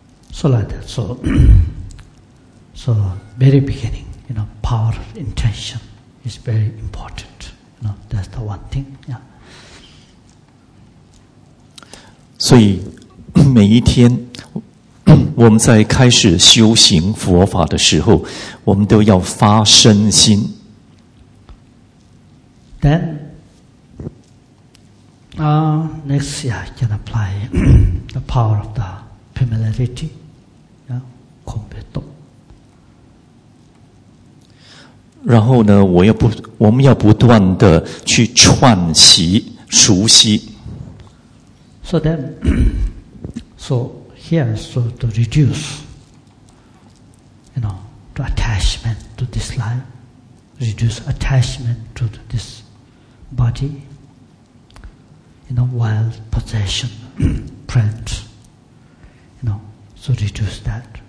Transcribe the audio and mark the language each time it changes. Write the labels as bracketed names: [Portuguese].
[English] So like that so, so very beginning you know, power of intentionIt's very important. You know, that's the one thing. Yeah. [Chinese] 所以每一天我们在开始修行佛法的时候我们都要发身心。 [English] Then, next, yeah, I can apply the power of the familiarity. Yeah, kumbhito. [Chinese] 然后呢我们要不断的去串习熟悉。 [English] So then, so here, so to reduce, you know, to attachment to this life, reduce attachment to this body, you know, wild possession, friends, you know, so reduce that.